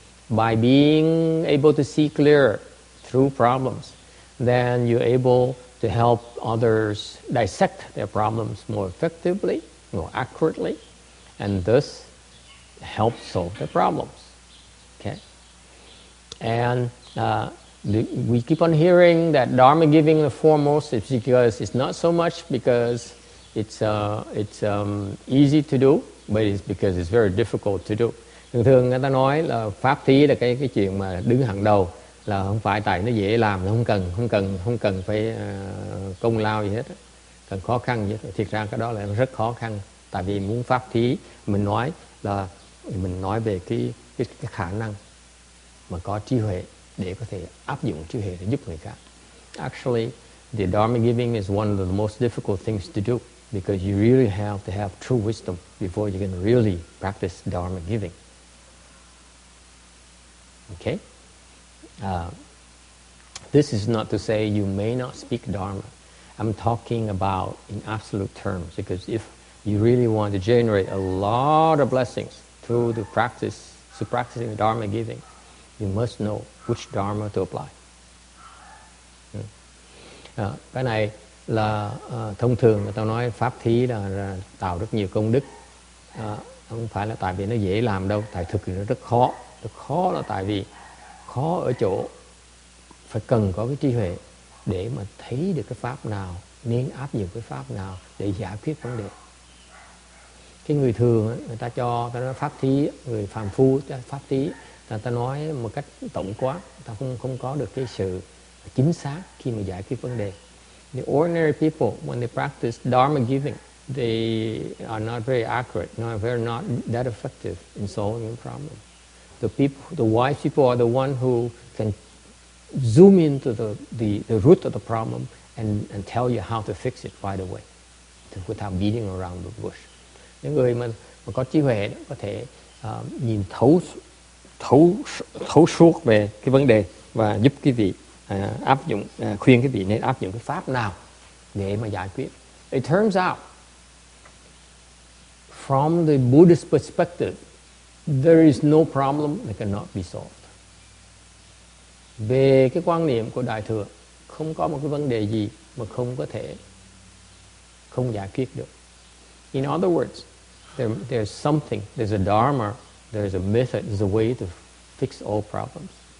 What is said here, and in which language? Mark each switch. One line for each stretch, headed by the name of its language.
English: By being able to see clearer through problems, then you're able to help others dissect their problems more effectively, more accurately, and thus help solve their problems. Okay? And we keep on hearing that Dharma giving the foremost is because it's not so much because it's easy to do, but it's because it's very difficult to do.
Vietnamese: Thường thường người ta nói là pháp thí là cái chuyện mà đứng hàng đầu, là không phải tại nó dễ làm, không cần phải công lao gì hết, cần khó khăn gì hết. Thiệt ra cái đó là rất khó khăn, tại vì muốn pháp thí mình nói là mình nói về cái khả năng mà có trí huệ để có thể áp dụng trí huệ để giúp người khác.
English: Actually, the Dharma giving is one of the most difficult things to do because you really have to have true wisdom before you can really practice Dharma giving. Okay? This is not to say you may not speak Dharma. I'm talking about in absolute terms, because if you really want to generate a lot of blessings through the practice, so practicing Dharma giving, you must know which Dharma to apply.
Vietnamese: Cái này là thông thường người ta nói pháp thí là tạo rất nhiều công đức. Không phải là tại vì nó dễ làm đâu, tại thực thì nó rất khó. Rất khó là tại vì khó ở chỗ phải cần có cái trí huệ để mà thấy được cái pháp nào, nên áp dụng cái pháp nào để giải quyết vấn đề. Cái người thường người ta cho, ta nói pháp thí, người phàm phu pháp thí, người ta nói một cách tổng quát, người ta không có được cái sự chính xác khi mà giải quyết vấn đề.
English: The ordinary people, when they practice Dharma giving, they are not very accurate, not that effective in solving the problem. The people, the wise people are the one who can zoom into the root of the problem and tell you how to fix it right away, without beating around the bush.
Vietnamese: Những người mà có trí huệ có thể nhìn thấu suốt về cái vấn đề và giúp quý vị áp dụng, khuyên quý vị nên áp dụng cái pháp nào để mà giải quyết.
English: It turns out, from the Buddhist perspective, there is no problem that cannot be solved.
Vietnamese: Về cái quan niệm của Đại Thừa, không có một cái vấn đề gì mà không có thể không giải quyết được.
English: In other words, there's something, there's a dharma, there's a method, there's a way to fix all problems.